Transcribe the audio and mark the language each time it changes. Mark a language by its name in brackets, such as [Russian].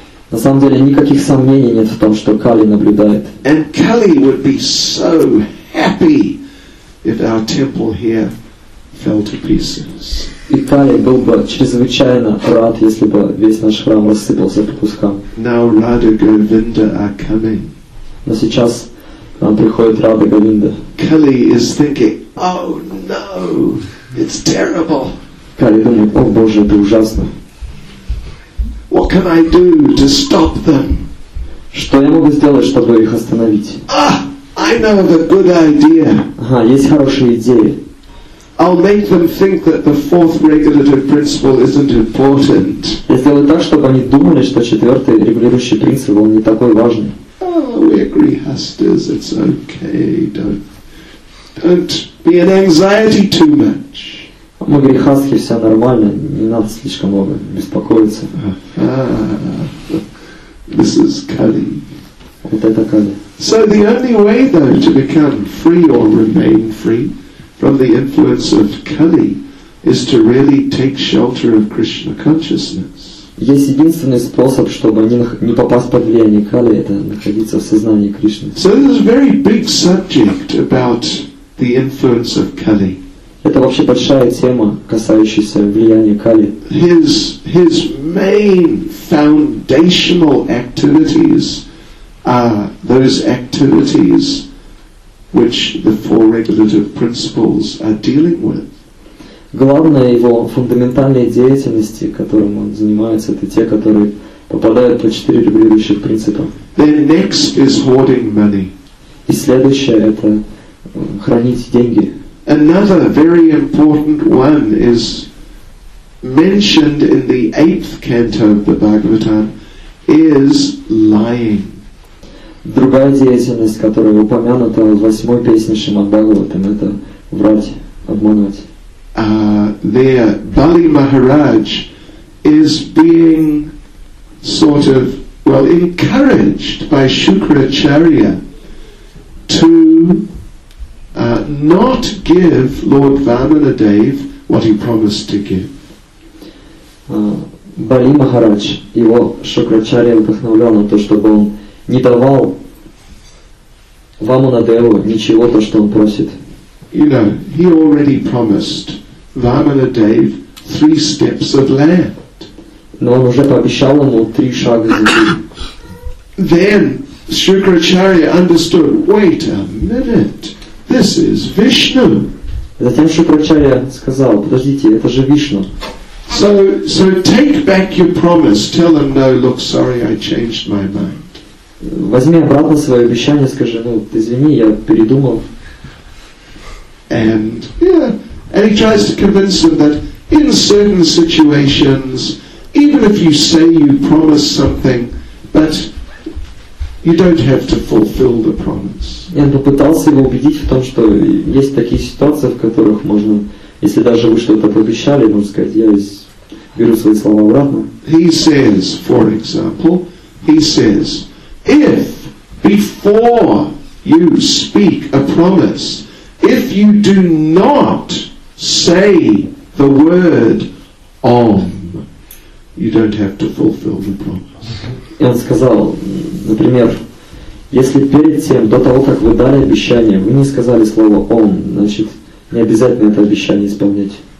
[Russian] На самом деле, никаких сомнений нет в том, что Кали наблюдает. [English] And Kali would be so happy if our temple here fell to pieces. [Russian] И Кали был бы чрезвычайно рад, если бы весь наш храм рассыпался по кускам. [English] Now Radha Govinda are coming. [Russian] Но сейчас нам приходит Радха Говинда. [English] Kali is thinking, oh no, it's terrible. [Russian] Кали думает, о боже, это ужасно. [English] What can I do to stop them? [Russian] Что я могу сделать, чтобы их остановить? [English] Ah, I know the good idea. [Russian] Ага, есть хорошая идея. [English] I'll make them think that the fourth regulative principle isn't important. [Russian] Я сделаю так, чтобы они думали, что четвертый регулирующий принцип он не такой важный. [English] We're grihasthas, it's okay, don't be in anxiety too much. [Russian] Мы грехастхи, все нормально, не надо слишком много беспокоиться. [English] This is Kali. [Russian] Вот это Kali. [English] So the only way though to become free or remain free from the influence of Kali is to really take shelter of Krishna consciousness. [Russian] Есть единственный способ, чтобы не попасть под влияние Кали, это находиться в сознании Кришны. [English] So this is a very big subject about the influence of Kali. [Russian] Это вообще большая тема, касающаяся влияния Кали. [English] His main foundational activities are those activities which the four regulative principles are dealing with. [Russian] Главная его фундаментальная деятельность, которым он занимается, это те, которые попадают по четыре регулирующих принципа. [English] Then next is hoarding money. [Russian] И следующее — это хранить деньги. [English] Another very important one is mentioned in the eighth canto of the Bhagavatam is lying. [Russian] Другая деятельность, которая упомянута в восьмой песне Шримад-Бхагаватам, это врать, обманывать. [English] There, Bali Maharaj is being sort of, well, encouraged by Shukracharya to not give Lord Vamanadev what he promised to give. [Russian] Bali Maharaj, его Шукрачарья вдохновлял на то, чтобы он не давал Вамонадеву ничего, то, что он просит. [English] You know, he already promised Vamanadev 3 steps of land. [Russian] Но он уже пообещал ему 3 шага земли. [English] Then Shukracharya understood, wait a minute, this is Vishnu. [Russian] Затем Шукрачарья сказал, подождите, это же Вишну. [English] So take back your promise, tell him no, look, sorry, I changed my mind. [Russian] Возьми обратно свое обещание, скажи, ну, извини, я передумал. [English] And he tries to convince them that in certain situations, even if you say you promise something, but you don't have to fulfill the promise. [Russian] И он попытался его убедить в том, что есть такие ситуации, в которых можно, если даже вы что-то пообещали, можно сказать, я беру свои слова обратно. [English] He says, for example, he says, if before you speak a promise, if you do not say the word om, you don't have to fulfill the promise. [Russian] И он сказал, например, если перед тем, до того, как вы дали обещание, вы не сказали слово «он», значит, не обязательно это обещание исполнять.